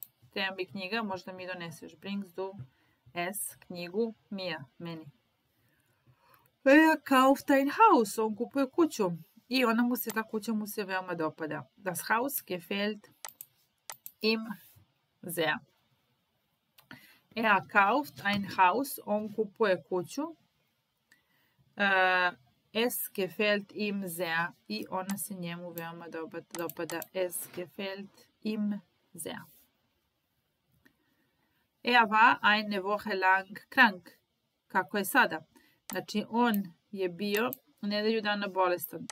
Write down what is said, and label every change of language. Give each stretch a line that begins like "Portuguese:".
Serbian: Treba mi knjiga, možda mi doneseš.
German: Bringst du es
Serbian: knjigu mir, meni.
German: Er kauft ein Haus.
Serbian: On kupuje kuću. I ona mu se, ta kuća mu se veoma dopada.
German: Das Haus gefällt ihm sehr. Er kauft ein Haus,
Serbian: on kupuje kuću.
German: Es gefällt ihm sehr.
Serbian: I ona se njemu veoma dopada.
German: Es gefällt ihm sehr. Er war eine Woche lang krank.
Serbian: Kako je sada? Znači, on je bio nedelju dana bolestan.